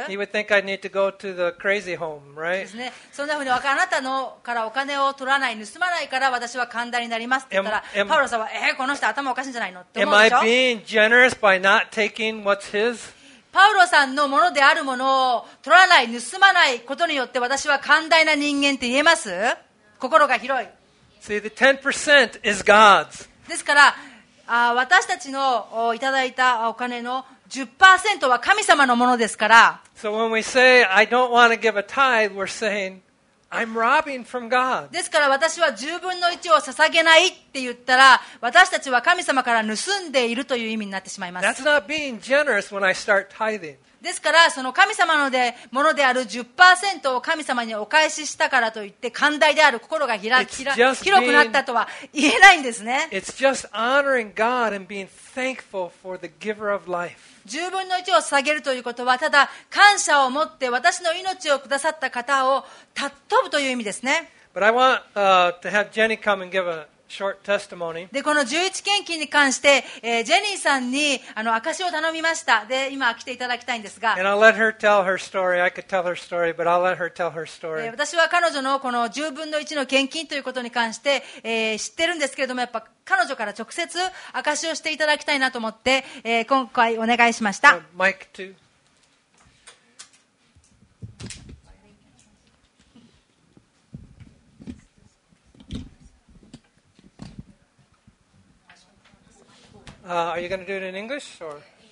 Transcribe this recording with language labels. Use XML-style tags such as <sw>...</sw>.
<en>He would think I'd need to go to the crazy home, right?</en> <ja>ですね、そんなふうにあなたのからお金を取らない盗まないから私は寛大になりますって言ったら パウロさんはこの人頭おかしいんじゃないのって思うでしょ。</ja> <en>Am I being generous by not taking what's his?</en> <ja>パウロさんのものであるものを取らない、盗まないことによって私は寛大な人間って言えます？心が広い。</ja> <en>See, the 10% is God's.</en> <ja>ですから私たちのいただいたお金の 10% は神様のものですから。</ja> <en>So when we say, I don't want to give a tithe, we're saying, I'm robbing from God.</en> <ja>ですから私は10分の1を捧げないって言ったら私たちは神様から盗んでいるという意味になってしまいます。</ja> <en>That's not being generous when I start tithing.</en> <ja>ですからその神様のものである 10% を神様にお返ししたからといって寛大である心が広くなったとは言えないんですね。</ja> <en>It's just honoring God and being thankful for the giver of life.</en> <ja>10分の1を捧げるということはただ感謝を持って私の命をくださった方を尊ぶという意味ですね。でこの11献金に関して、ジェニーさんに証を頼みました。で今来ていただきたいんですが</ja> <en>story,</en> <ja>私は彼女のこの10分の1の献金ということに関して、知ってるんですけれどもやっぱ彼女から直接証をしていただきたいなと思って、今回お願いしました。</ja> <en>マイク2Are you going to do it in English or?</en>